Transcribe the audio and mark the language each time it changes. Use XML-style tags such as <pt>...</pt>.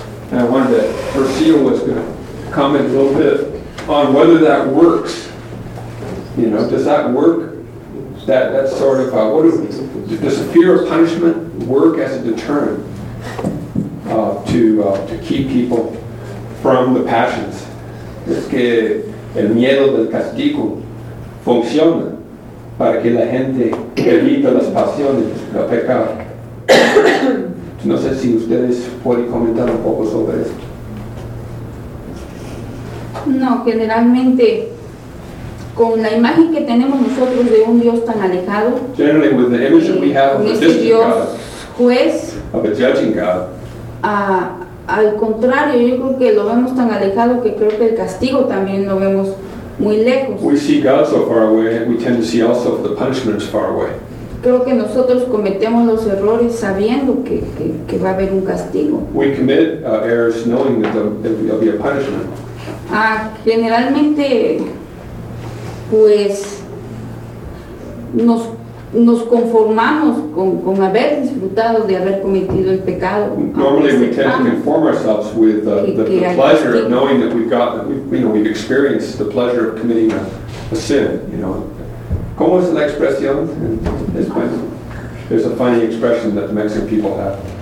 <en>And I wanted to, Hercio was going to comment a little bit on whether that works. You know, does that work? That sort of, does fear of punishment work as a deterrent to keep people from the passions?</en> <es>Es que el miedo del castigo funciona para que la gente evite las pasiones, el pecado. No sé si ustedes pueden comentar un poco sobre esto. No, generalmente, con la imagen que tenemos nosotros de un Dios tan alejado,</es> <en>generally with the image that we have of a distant</en> <es>Dios,</es> <en>God,</en> <es>juez,</es> <en>of a judging God,</en> <es>al contrario, yo creo que lo vemos tan alejado que creo que el castigo también lo vemos muy lejos.</es> <en>We see God so far away, we tend to see also the punishment far away.</en> <es>Creo que nosotros cometemos los errores sabiendo que va a haber un castigo.</es> <en>We commit errors knowing that there'll be a punishment.</en> <es>Generalmente, pues, nos conformamos con haber disfrutado de haber cometido el pecado.</es> <en>Normally we tend to conform ourselves with the pleasure of knowing that we've experienced the pleasure of committing a sin, you know.</en> <es>¿Cómo es la expresión en español?</es> <en>There's a funny expression that the Mexican people have.</en>